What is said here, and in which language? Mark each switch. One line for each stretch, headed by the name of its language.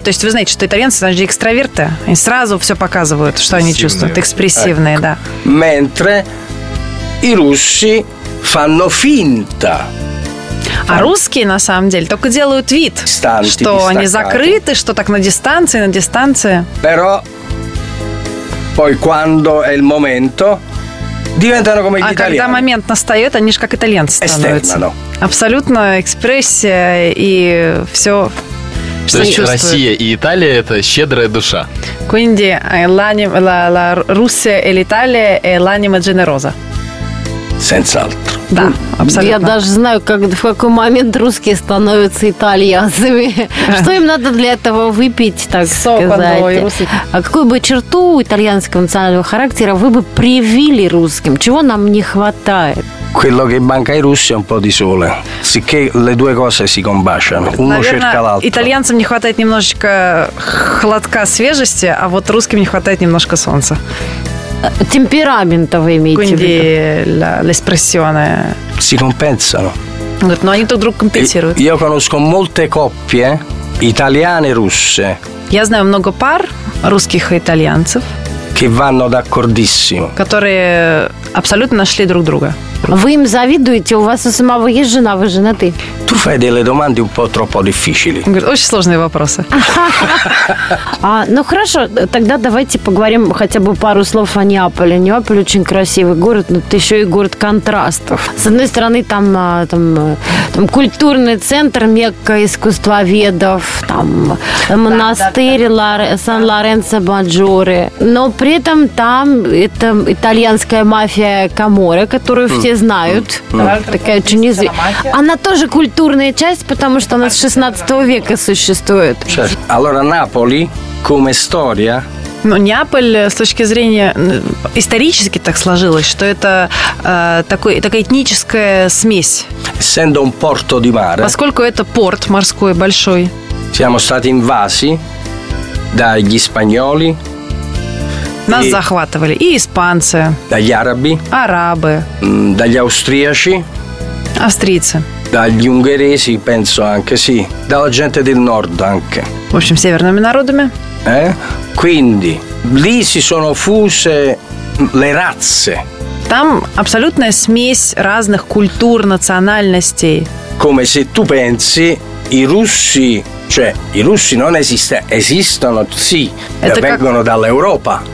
Russian: То есть вы знаете, что итальянцы, они же экстраверты. Они сразу все показывают, что они чувствуют. Экспрессивные, да.
Italian: Mentre i russi fanno finta.
Russian: А русские, на самом деле, только делают вид, что они закрыты, что так на дистанции.
Italian: Però poi quando è il momento diventano come gli italiani.
Russian: А когда момент настает, они же как итальянцы становятся. Абсолютно экспрессия и все. То есть Россия и Италия – это щедрая душа.
Italian: Quindi la Russia e l'Italia è l'anima generosa. Senz'altro.
Russian: Да, абсолютно. Я даже знаю, как, в какой момент русские становятся итальянцами. Что им надо для этого выпить, так сказать? А какую бы черту итальянского национального характера вы бы привили русским? Чего нам не хватает?
Italian: Quello che manca ai russi è un po' di sole, sicché le due cose si combaciano. Uno cerca l'altro.
Russian: Итальянцам не хватает немножечко холодка, свежести, а вот русским не хватает немножко солнца. Темперамента вы имеете
Italian: Quindi
Russian: в виду?
Italian: L'espressione. Si compensano.
Russian: Но они друг друга компенсируют.
Italian: Io conosco molte coppie italiane e russe.
Russian: Я знаю много пар русских и итальянцев.
Italian: Che vanno d'accordissimo.
Russian: Которые абсолютно нашли друг друга. Вы им завидуете? У вас у самого есть жена, вы женаты?
Italian: Tu fai delle domande un po' troppo difficili.
Russian: Говорит, очень сложные вопросы. Ну хорошо, тогда давайте поговорим хотя бы пару слов о Неаполе. Неаполь очень красивый город, но это еще и город контрастов. С одной стороны, там культурный центр, мекка искусствоведов, там монастырь Сан-Лоренцо Маджоре. Но при этом там это итальянская мафия Каморре, которую все знают. Такая очень известная. Она тоже культурная часть, потому что она с 16 века существует.
Italian: Allora Napoli come storia?
Russian: Ну, Неаполь с точки зрения исторически так сложилось, что это такая этническая смесь.
Italian: Essendo un porto di mare.
Russian: Поскольку это порт морской большой.
Italian: Siamo stati invasi dagli spagnoli.
Russian: Нас захватывали и испанцы.
Italian: Dagli arabi.
Russian: Арабы.
Italian: Dagli austriaci.
Russian: Австрийцы.
Italian: Dagli ungheresi, penso anche sì. Dalla gente del nord anche.
Russian: В общем, северными народами.
Italian: Quindi lì si sono fuse le razze.
Russian: Там абсолютная смесь разных культур, национальностей.
Italian: Come se tu pensi i russi, cioè i russi non esistono, sì, vengono dall'Europa.